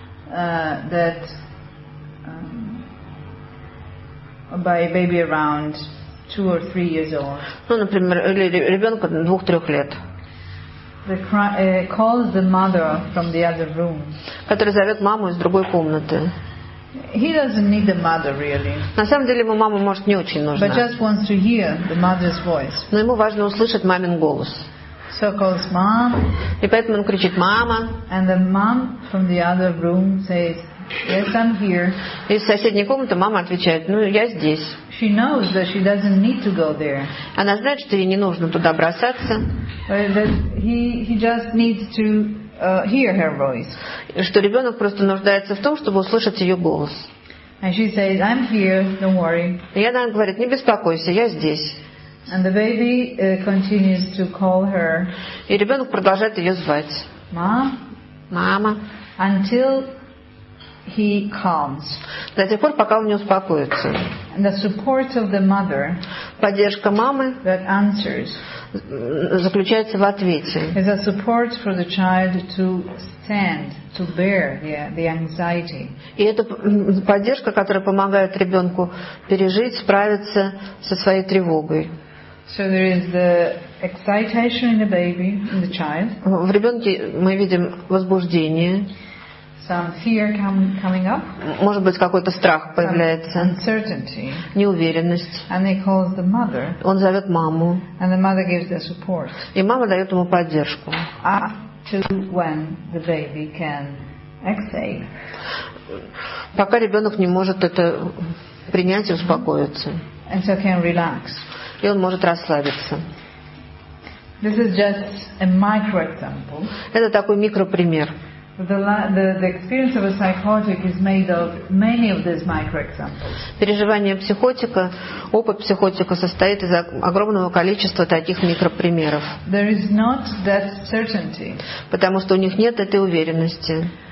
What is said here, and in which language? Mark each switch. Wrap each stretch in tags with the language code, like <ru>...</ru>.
<en>That by a baby around 2 or 3 years old.</en> <ru>Ну, например, ребенка 2-3 лет.</ru> <en>Calls the mother from the other room.</en> <ru>Который зовет маму из другой комнаты.</ru> <en>He doesn't need the mother really.</en> <ru>На самом деле ему мама может не очень нужна.</ru> <en>But just wants to hear the mother's voice.</en> <ru>Но ему важно услышать мамин голос.</ru> <en>So calls mom.</en> <ru>И поэтому он кричит мама.</ru> <en>And the mom from the other room says, yes, I'm here.</en> <ru>И из соседней комнаты мама отвечает, ну я здесь.</ru> <en>She knows that she doesn't need to go there.</en> <ru>Она знает, что ей не нужно туда бросаться.</ru> <en>But that he just needs to hear her voice.</en> <ru>Что ребенок просто нуждается в том, чтобы услышать ее голос.</ru> <en>And she says, I'm here, don't worry.</en> <ru>И она говорит, не беспокойся, я здесь.</ru> <en>And the baby continues to call her.</en> <ru>И ребенок продолжает ее звать.</ru> <en>Mom.</en> <ru>Мама.</ru> <en>Until he calms.</en> <ru>До тех пор, пока он не успокоится.</ru> <en>And the support of the mother.</en> <ru>Поддержка мамы.</ru> <en>That answers.</en> <ru>Заключается в ответе.</ru> <en>Is a support for the child to stand, to bear the anxiety.</en> <ru>И это поддержка, которая помогает ребенку пережить, справиться со своей тревогой.</ru> <en>So there is the excitation in the baby, in the child.</en> <ru>В ребенке мы видим возбуждение.</ru> <en>Some fear coming up.</en> <ru>Может быть, какой-то страх появляется.</ru> <en>Some uncertainty.</en> <ru>Неуверенность.</ru> <en>And he calls the mother.</en> <ru>Он зовет маму.</ru> <en>And the mother gives the support.</en> <ru>И мама дает ему поддержку.</ru> <en>Up to when the baby can exhale.</en> <ru>Пока ребенок не может это принять и успокоиться.</ru> <en>And so can relax.</en> <ru>И он может расслабиться.</ru> <en>This is just a micro example.</en> <ru>Это такой микропример.</ru> <en>The experience of a psychotic is made of many of these micro examples.</en> <ru>Переживание психотика, опыт психотика состоит из огромного количества таких микропримеров.</ru> <en>There is not that certainty.</en> <ru>Потому что у них нет этой уверенности.</ru>